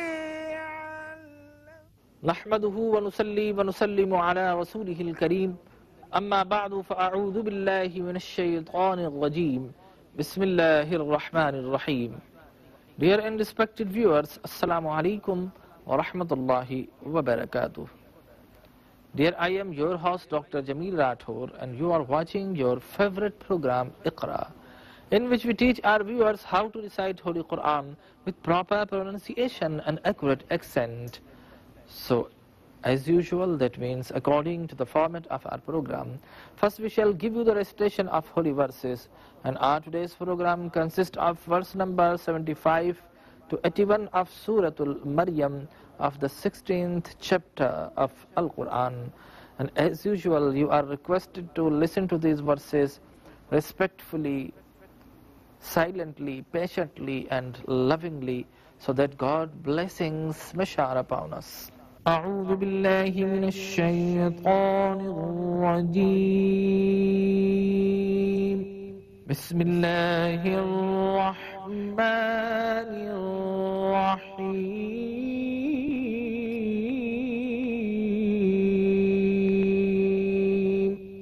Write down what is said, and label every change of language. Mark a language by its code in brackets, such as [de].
[ar] نحمده ونصلي ونسلم على رسوله الكريم أما بعد فأعوذ بالله من الشيطان الرجيم بسم الله الرحمن الرحيم [en] Dear and respected viewers, [ar] Assalamu alaikum wa rahmatullahi wa barakatuh. [en] Dear, I am your host Dr. Jameel Rathor and you are watching your favorite program Iqra in which we teach our viewers how to recite Holy Quran with proper pronunciation and accurate accent. So, as usual, that means according to the format of our program, first we shall give you the recitation of holy verses. And our today's program consists of verse number 75 to 81 of Suratul Maryam of the 16th chapter of Al-Quran. And as usual, you are requested to listen to these verses respectfully, silently, patiently and lovingly so that God blessings may shower upon us. [ar] أعوذ بالله من الشيطان الرجيم بسم الله الرحمن الرحيم